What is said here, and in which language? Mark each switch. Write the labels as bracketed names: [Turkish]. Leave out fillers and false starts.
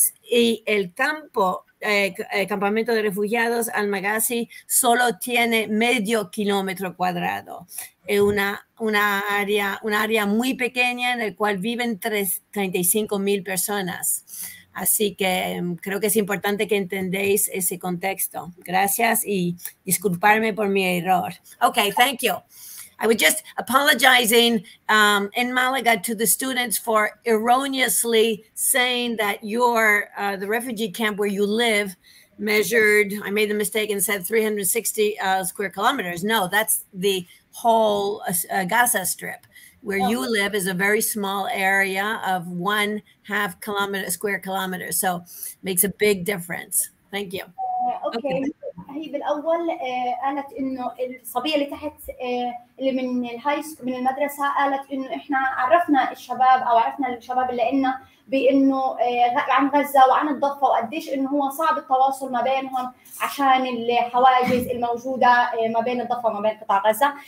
[Spanish] Y el campo, el campamento de refugiados Al-Maghazi, solo tiene medio kilómetro cuadrado. Es una área muy pequeña en la cual viven 35,000 personas. Así que creo que es importante que entendáis ese contexto. Gracias y disculparme por mi error. [English] Okay, thank you. I was just apologizing in Malaga to the students for erroneously saying that the refugee camp where you live measured, I made the mistake and said 360 square kilometers. No, that's the whole Gaza Strip. Where you live is a very small area of 1.5 kilometer square kilometers. So makes a big difference. Thank you. Okay. [Arabic] هي بالأول قالت إنه الصبية اللي تحت اللي من الهايس من المدرسة قالت إنه إحنا عرفنا الشباب أو عرفنا الشباب اللي عنا بإنه عن غزة وعن الضفة وقديش إنه هو صعب التواصل ما بينهم عشان الحواجز الموجودة ما بين الضفة وما بين قطاع غزة.